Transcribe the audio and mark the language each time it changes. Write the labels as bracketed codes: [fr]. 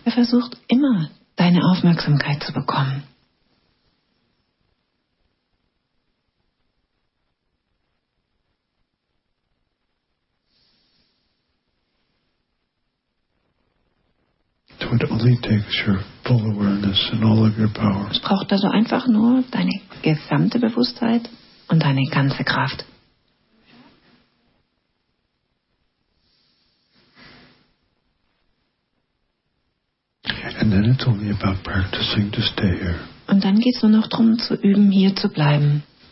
[de] Er versucht immer, deine Aufmerksamkeit zu bekommen. [en] So it only takes your full awareness and all of your power. [de] Es braucht also einfach nur deine gesamte Bewusstheit und deine ganze Kraft. [en] And then it's only about practicing to stay here. [de] Und dann geht's nur noch darum, zu üben, hier zu bleiben.